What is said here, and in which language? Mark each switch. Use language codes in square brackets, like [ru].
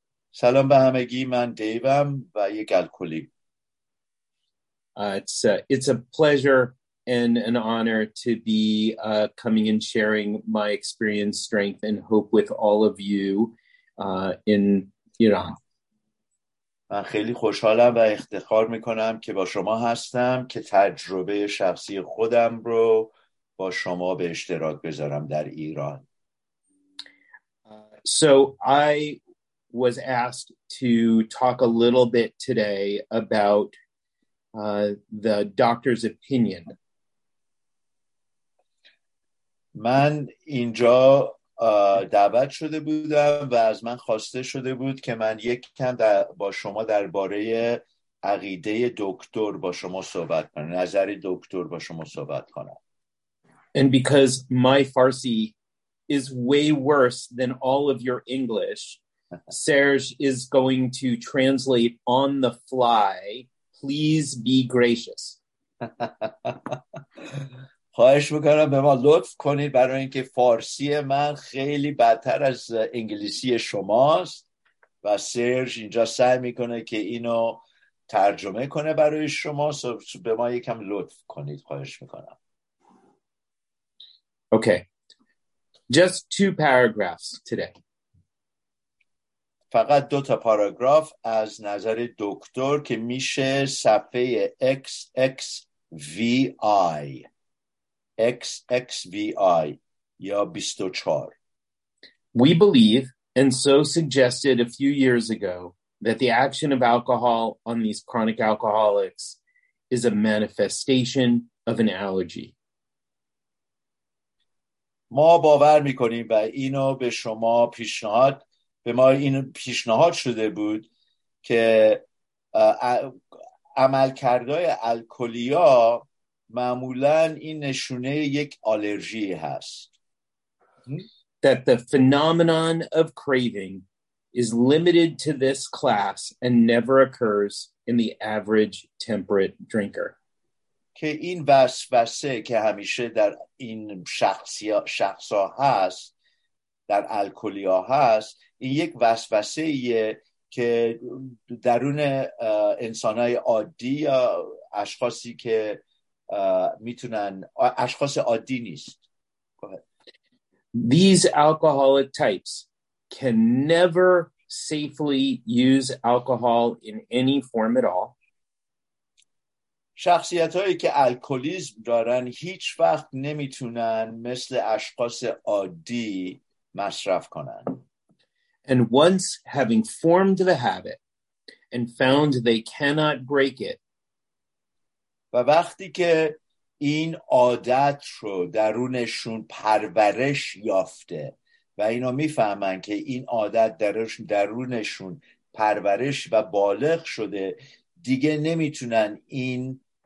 [fa] Salam ba hamegi, man Davam va yek alkoholik. [en] It's a pleasure and an honor to be coming and sharing my experience, strength, and hope with all of you in Iran. [fa] من خیلی خوشحالم و افتخار میکنم که با شما هستم که تجربه شخصی خودم رو با شما به اشتراک بذارم در ایران. [en] So I was asked to talk a little bit today about the doctor's opinion. [fa] من اینجا دعوت شده بودم و از من خواسته شده بود که من یک کم با شما درباره عقیده دکتر با شما صحبت کنم، نظر دکتر با شما صحبت کنم. [en] And because my Farsi is way worse than all of your English, Serge is going to translate on the fly. Please be gracious. [fa] خواهش میکنم به ما لطف کنید برای اینکه فارسی من خیلی بدتر از انگلیسی شماست و سرژ اینجا سعی میکنه که اینو ترجمه کنه برای شما. به ما یکم لطف کنید، خواهش میکنم. [en] Okay. Just two paragraphs today. [fa] فقط دو تا پاراگراف از نظر دکتر که میشه صفحه XXVI یا 24. [en] We believe and so suggested a few years ago that the action of alcohol on these chronic alcoholics is a manifestation of an allergy. [fa] ما باور میکنیم و اینو به شما پیشنهاد به ما این پیشنهاد شده بود که عملکردهای الکلیا معمولاً این نشونه یک آلرژی هست. [en] That the phenomenon of craving is limited to this class and never occurs in the average temperate drinker. [fa] که این وسوسه که همیشه در این شخصا هست، در الکلیا هست، این یک وسوسه ایه که درون انسانهای عادی یا اشخاصی که میتونن اشخاص عادی نیست. [en] These alcoholic types can never safely use alcohol in any form at all. [fa] شخصیت هایی که الکلیسم دارن هیچ وقت نمیتونن مثل اشخاص عادی مصرف کنن. [en] And once having formed the habit and found they cannot break it, [fa] و وقتی که این عادت رو درونشون پرورش یافته و اینا میفهمن که این عادت درونشون پرورش و بالغ شده، دیگه نمیتونن این